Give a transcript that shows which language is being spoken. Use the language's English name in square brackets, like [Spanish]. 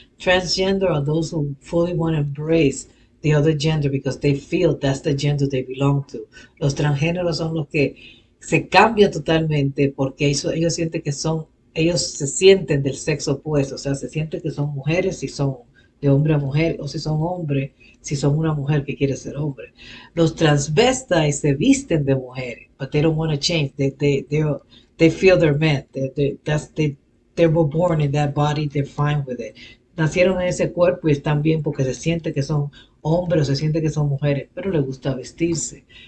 [English] Transgender are those who fully want to embrace the other gender because they feel that's the gender they belong to. [Spanish] Los transgéneros son los que se cambian totalmente porque ellos sienten que son, ellos se sienten del sexo opuesto, o sea, se sienten que son mujeres y son de hombre a mujer, o si son hombre, si son una mujer que quiere ser hombre. Los transvestites se visten de mujeres, [English] but they don't want to change. They feel they're men. They were born in that body, they're fine with it. [Spanish] Nacieron en ese cuerpo y están bien porque se siente que son hombres, se siente que son mujeres, pero les gusta vestirse.